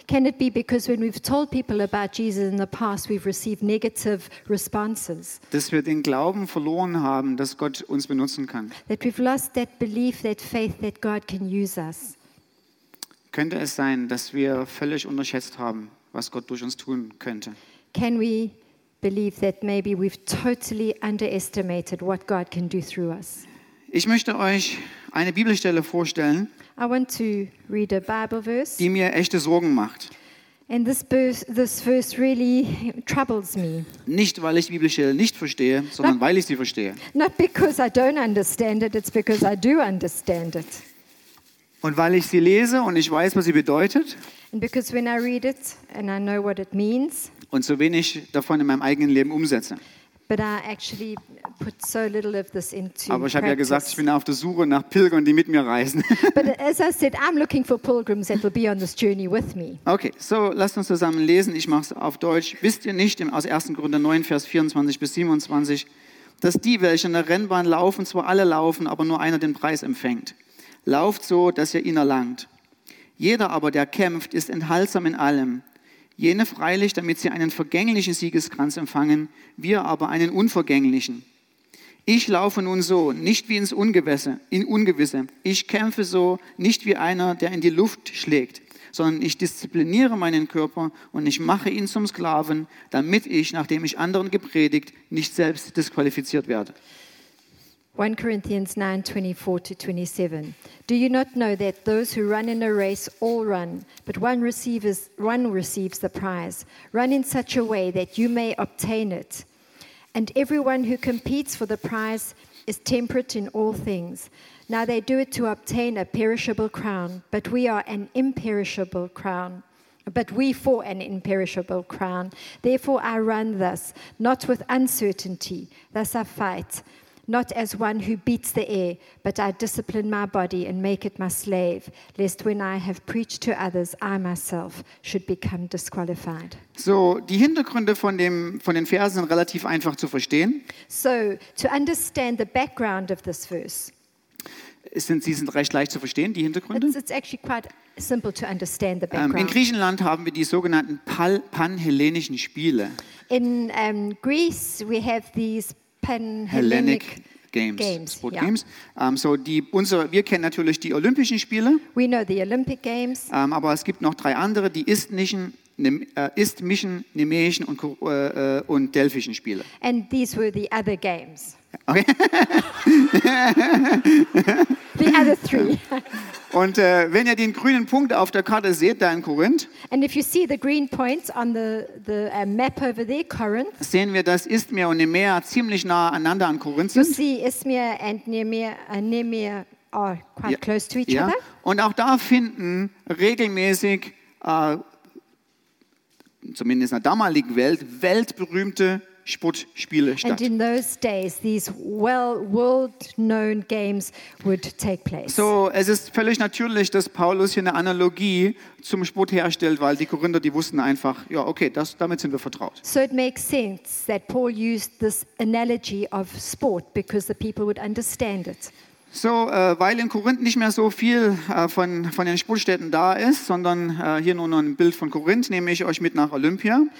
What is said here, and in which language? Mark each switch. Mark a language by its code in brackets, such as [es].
[en] Can it be because when we've told people about Jesus in the past, we've received negative responses? [de] Dass wir den Glauben verloren haben, dass Gott uns benutzen kann? [en] That we've lost that belief, that faith that God can use us. [de] Könnte es sein, dass wir völlig unterschätzt haben, was Gott durch uns tun könnte? [en] Can we believe that maybe we've totally underestimated what God can do through us? [de] Ich möchte euch eine Bibelstelle vorstellen, [en] I want to read a Bible verse, [de] die mir echte Sorgen macht. [en] And this verse really troubles me. [de] Nicht, weil ich die Bibelstelle nicht verstehe, sondern not, weil ich sie verstehe. [en] Not because I don't understand it, it's because I do understand it. [de] Und weil ich sie lese und ich weiß, was sie bedeutet. [en] And because when I read it and I know what it means. [de] Und so wenig davon in meinem eigenen Leben umsetze. [en] But I actually put so little of this into. [de] Aber ich habe ja gesagt, ich bin auf der Suche nach Pilgern, die mit mir reisen. [en] But as I said, I'm looking for pilgrims that will be on this journey with me. [de] Okay, so lasst uns zusammen lesen. Ich mache es auf Deutsch. Wisst ihr nicht, aus 1. Korinther 9, Vers 24 bis 27, dass die, welche in der Rennbahn laufen, zwar alle laufen, aber nur einer den Preis empfängt. Lauft so, dass ihr ihn erlangt. Jeder aber, der kämpft, ist enthaltsam in allem. Jene freilich, damit sie einen vergänglichen Siegeskranz empfangen, wir aber einen unvergänglichen. Ich laufe nun so, nicht wie ins Ungewisse, Ich kämpfe so, nicht wie einer, der in die Luft schlägt, sondern ich diszipliniere meinen Körper und ich mache ihn zum Sklaven, damit ich, nachdem ich anderen gepredigt, nicht selbst disqualifiziert werde. [en] 1 Corinthians 9, 24 to 27. Do you not know that those who run in a race all run, but one receives the prize? Run in such a way that you may obtain it. And everyone who competes for the prize is temperate in all things. Now they do it to obtain a perishable crown, but we are an imperishable crown. But we for an imperishable crown. Therefore I run thus, not with uncertainty, thus I fight. Not as one who beats the air, but I discipline my body and make it my slave, lest when I have preached to others, I myself should become disqualified. [de] So, die Hintergründe von den Versen sind relativ einfach zu verstehen. [en] So, to understand the background of this verse. [de] Sie sind recht leicht zu verstehen, die Hintergründe. [en] It's actually quite simple to understand the background. [de] In Griechenland haben wir die sogenannten panhellenischen Spiele. [en] In Greece we have these Hellenic Games. Sport Games. [de] Wir kennen natürlich die Olympischen Spiele. [en] We know the Olympic Games. [de] Aber es gibt noch drei andere, die Isthmischen, Nemeischen und Delphischen Spiele. [en] And these were the other games. Okay. The other three. [de] Und wenn ihr den grünen Punkt auf der Karte seht, da in Korinth, [en] and if you see the green points on the map over there, Corinth, [de] sehen wir, dass Isthmia und Nemea ziemlich nah aneinander an Korinth sind. [en] You see Isthmia and Nemea are quite close to each other. [de] Und auch da finden regelmäßig, zumindest in der damaligen Welt, weltberühmte Sportspiele statt. [en] And in those days, these world-known games would take place. [de] So, es ist völlig natürlich, dass Paulus hier eine Analogie zum Sport herstellt, weil die Korinther, die wussten einfach, ja, okay, damit sind wir vertraut. [en] So it makes sense that Paul used this analogy of sport because the people would understand it. [de] So, weil in Korinth nicht mehr so viel von den Sportstätten da ist, sondern hier nur noch ein Bild von Korinth, nehme ich euch mit nach Olympia.